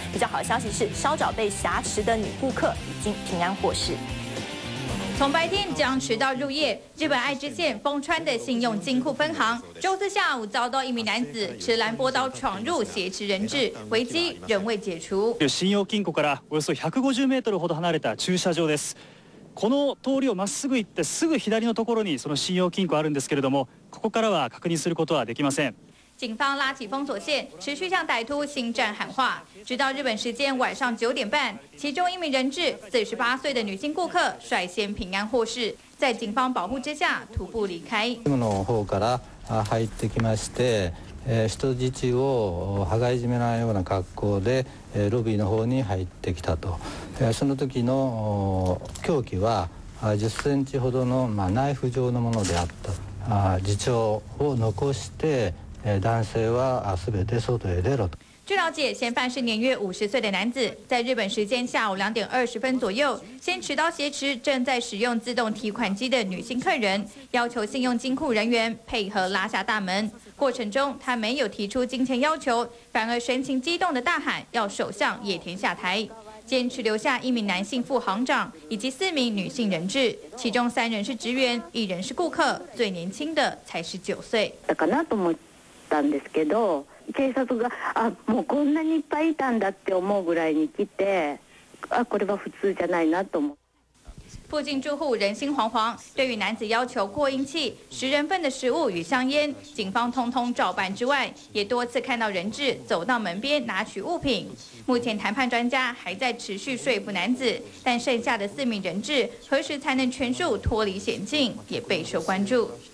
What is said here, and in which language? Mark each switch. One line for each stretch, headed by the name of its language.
Chinese: 比较好的消息是，稍早被挟持的女顾客已经平安获释。从白天僵持到入夜，日本爱知县丰川的信用金库分行周四下午遭到一名男子持蓝波刀闯入挟持人质，危机仍未解除。
Japanese: 信用金库からおよそ150メートルほど離れた駐車場です。この通りをまっすぐ行ってすぐ左のところにその信用金庫あるんですけれども、ここからは確認することはできません。
Chinese: 警方拉起封锁线，持续向歹徒新战喊话，直到日本时间晚上9点半，其中一名人质48岁的女性顾客率先平安获释，在警方保护之下徒步离开。
Japanese: の方から入ってきまして、人質を羽交い締めのような格好でロビーの方に入ってきたと。その時の凶器は10センチほどのナイフ状のものであった。自重を残して。男性は全て外へ出ろと。
Chinese: 据了解，嫌犯是年约50岁的男子，在日本时间下午2点20分左右，先持刀挟持正在使用自动提款机的女性客人，要求信用金库人员配合拉下大门。过程中，他没有提出金钱要求，反而神情激动地大喊要首相野田下台。坚持留下一名男性副行长以及4名女性人质，其中3人是职员，1人是顾客，最年轻的才是9岁。
Japanese: んですけど、警察が、あ、もうこんなにいっぱいいたんだって思うぐらいに来て、あ、これは普通じゃないなと思う。
Chinese: 附近住户人心惶惶，对于男子要求扩音器、十人份的食物与香烟，警方通通照办之外，也多次看到人质走到门边拿取物品。目前谈判专家还在持续说服男子，但剩下的四名人质何时才能全数脱离险境，也备受关注。